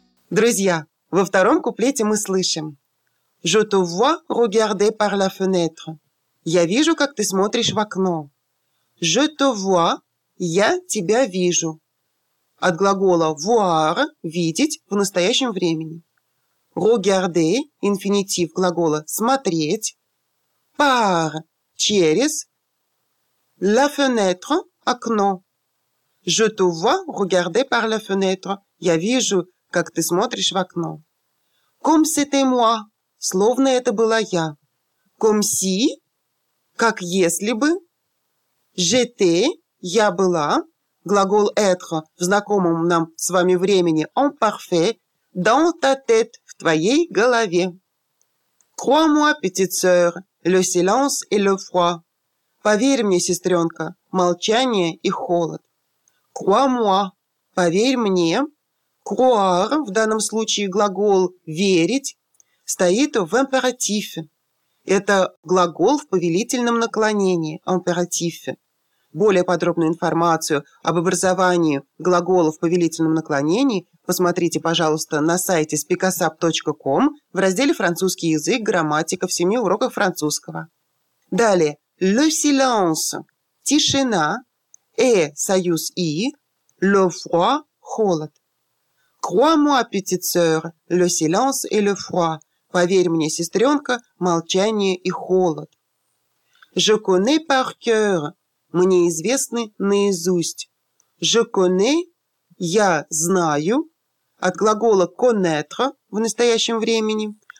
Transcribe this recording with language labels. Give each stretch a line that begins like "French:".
Russian: Друзья, во втором куплете мы слышим.
French: Je te vois regarder par la fenêtre.
Russian: Я вижу, как ты смотришь в окно.
French: Je te vois.
Russian: Я тебя вижу. От глагола voir – видеть в настоящем времени. Regarder – инфинитив глагола смотреть. Par – через.
French: La fenêtre – окно. Je te vois regarder par la fenêtre.
Russian: Я вижу, как ты смотришь в окно.
French: Comme c'était moi.
Russian: Словно это была я.
French: Comme si,
Russian: как если бы. J'étais, я была. Глагол être в знакомом нам с вами времени en parfait.
French: Dans ta tête,
Russian: в твоей голове.
French: Crois-moi, petite sœur, le silence et le froid.
Russian: Поверь мне, сестренка, молчание и холод.
French: Crois-moi,
Russian: поверь мне. Croire, в данном случае глагол верить. Стоит в императиве. Это глагол в повелительном наклонении, императиве. Более подробную информацию об образовании глагола в повелительном наклонении посмотрите, пожалуйста, на сайте spicasap.com в разделе «Французский язык. Грамматика» в 7 уроках французского. Далее.
French: Le silence – тишина.
Russian: Э – союз и.
French: Le froid – холод. Crois-moi, petite sœur, le silence et le froid.
Russian: Поверь мне, сестренка, молчание и холод.
French: Je connais par cœur.
Russian: Мне известны наизусть.
French: Je connais.
Russian: Я знаю. От глагола connaître в настоящем времени.